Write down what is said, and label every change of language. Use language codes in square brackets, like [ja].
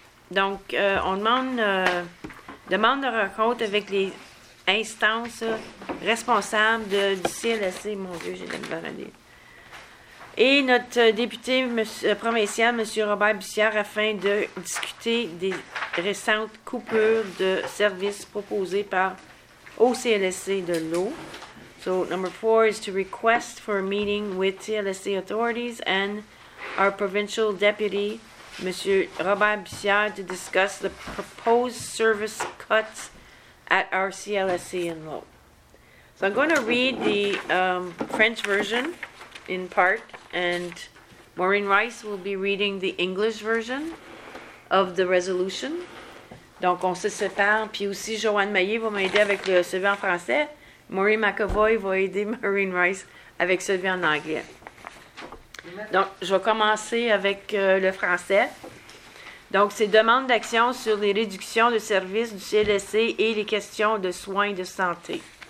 [fr] Donc, on demande de rencontre avec les instances responsables du CLSC, mon Dieu, j'ai de la maladie. Et notre député provincial, M. Robert Bussière, afin de discuter des récentes coupures de services proposées par au CLSC de l'eau. [en] So, number 4 is to request for a meeting with CLSC authorities and our provincial deputy, Monsieur Robert Bussière, to discuss the proposed service cuts at our CLSC in Lowe. So I'm going to read the French version in part, and Maureen Rice will be reading the English version of the resolution. [fr] Donc on se sépare, puis aussi Joanne Maillé va m'aider avec le CV en français. Maureen McAvoy va aider Maureen Rice avec CV en anglais. Donc, je vais commencer avec le français. Donc, c'est demande d'action sur les réductions de services du CLSC et les questions de soins de santé.